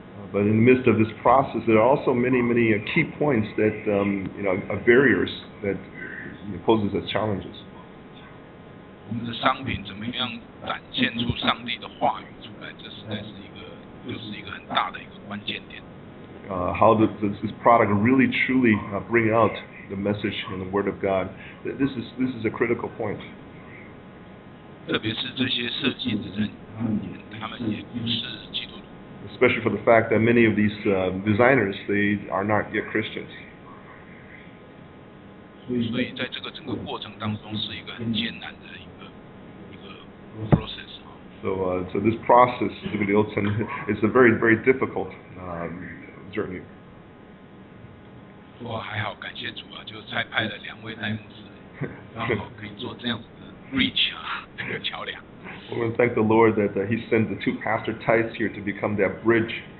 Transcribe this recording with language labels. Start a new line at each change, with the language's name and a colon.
English: But in the midst of this process, there are also many, many key points that, you know, are barriers that poses as challenges.
Chinese: 我们的商品怎么样展现出上帝的话语出来，这实在是一个很大的一个关键点。
English: how this product really truly bring out the message and the word of God. This is a critical point.
Chinese: 特别是这些设计的人，他们也不是基督徒。
English: Especially for the fact that many of these designers, they are not yet Christians.
Chinese: 所以在这个整个过程当中是一个很艰难的一个 process.
English: So this process, it's a very, very difficult journey.
Chinese: 哇，还好，感谢主啊，就差派了两位代牧师，然后可以做这样子的 reach啊，这个桥梁。
English: We want to thank the Lord that he sent the two pastor types here to become that bridge.